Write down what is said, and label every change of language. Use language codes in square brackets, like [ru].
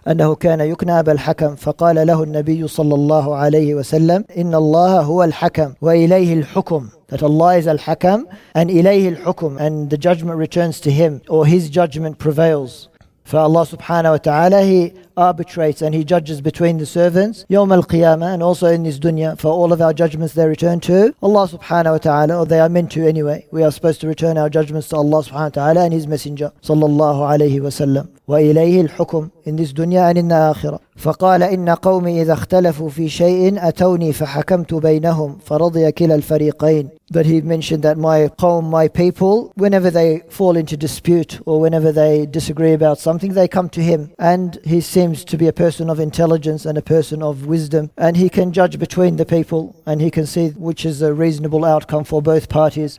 [ar] أنه كان يكنى بالحكم فقال له النبي صلى الله عليه وسلم إن الله هو الحكم وإليه الحكم. [en] That Allah is al-Hakam and ilayhi al-Hukum, and the judgment returns to him, or his judgment prevails. For Allah subhanahu wa ta'ala, he arbitrates and he judges between the servants, yawm al-qiyamah, and also in this dunya. For all of our judgments, they return to Allah subhanahu wa ta'ala, or they are meant to anyway. We are supposed to return our judgments to Allah subhanahu wa ta'ala and his messenger, sallallahu alayhi wa sallam. Wa ilayhi al-hukum, in this dunya and in the akhirah. [ar] فقال إن قومي إذا اختلفوا في شيء أتوني فحكمت بينهم فرضي كلا الفريقين. [en] But he mentioned that my qawm, my people, whenever they fall into dispute or whenever they disagree about something, they come to him. And he seems to be a person of intelligence and a person of wisdom. And he can judge between the people and he can see which is a reasonable outcome for both parties.